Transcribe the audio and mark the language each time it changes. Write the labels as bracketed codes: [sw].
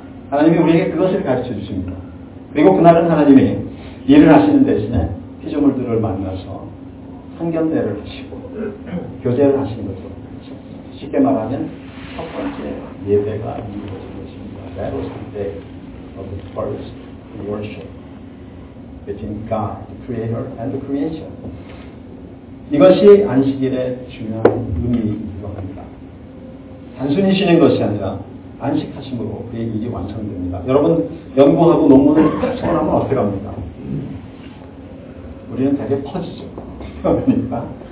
[ko] 하나님이 우리에게 그것을 가르쳐 주십니다. 그리고 그날은 하나님이 일을 하시는 대신에 피조물들을 만나서 상견례를 하시고 교제를 하시는 것으로 쉽게 말하면 첫 번째 예배가 이루어진 것입니다. [en] That was the day. of the first worship between God, the Creator and the creation. [ko] 이것이 안식일의 중요한 의미이기도 합니다. 단순히 쉬는 것이 아니라 안식하심으로 그의 일이 완성됩니다. 여러분, 연구하고 논문을 딱 써나면 어떻게 합니까? 우리는 되게 퍼지죠. 그러니까.